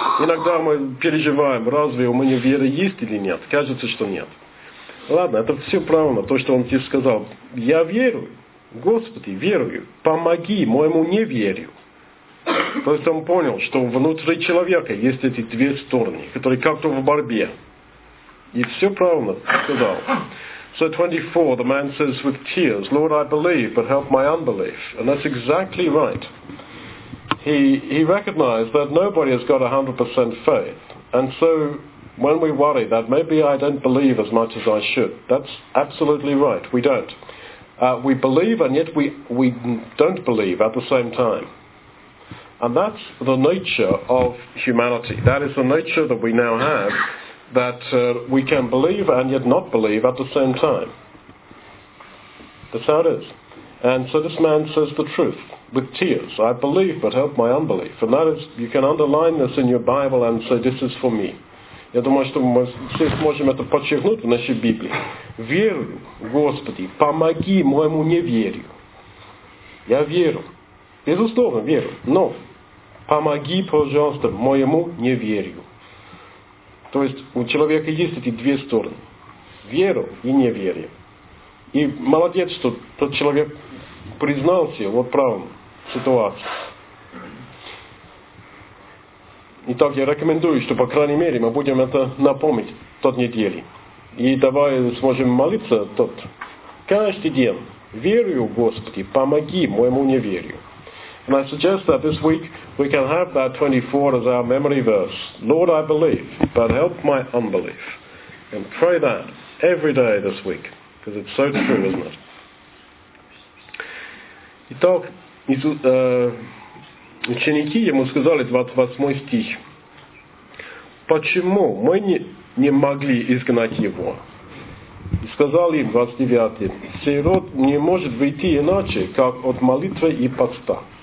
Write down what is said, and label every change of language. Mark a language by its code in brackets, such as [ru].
[ru] Иногда мы переживаем, разве у меня вера есть или нет. Кажется, что нет. Ладно, это все правильно, то, что он тебе сказал. Я верю, Господи, верую, помоги моему неверию. То есть он понял, что внутри человека есть эти две стороны, которые как-то в борьбе. И все правильно сказал. [en] So 24, the man says with tears, Lord, I believe, but help my unbelief. And that's exactly right. He recognized that nobody has got 100% faith. And so when we worry that maybe I don't believe as much as I should, that's absolutely right. We don't. We believe and yet we don't believe at the same time. And that's the nature of humanity. That is the nature that we now have. That we can believe and yet not believe at the same time. That's how it is. And so this man says the truth with tears. I believe, but help my unbelief. And that is, you can underline this in your Bible and say, this is for me. [ru] Я думаю, что мы все сможем это подчеркнуть в нашей Библии. Верю, Господи, помоги моему неверию. Я верю. Безусловно, верю. Но помоги, пожалуйста, моему неверию. То есть у человека есть эти две стороны. Веру и неверие. И молодец, что тот человек признался вот правом ситуации. Итак, я рекомендую, что, по крайней мере, мы будем это напомнить тот недели. И давай сможем молиться тот каждый день. Верую, Господи, помоги моему неверию. [en] And I suggest that this week we can have that 24 as our memory verse. Lord, I believe, but help my unbelief. And pray that every day this week, because it's so true, isn't it? [ru] Итак, ученики ему сказали, 28 стих, почему мы не могли изгнать его? И сказал им 29, сей род не может выйти иначе, как от молитвы и поста.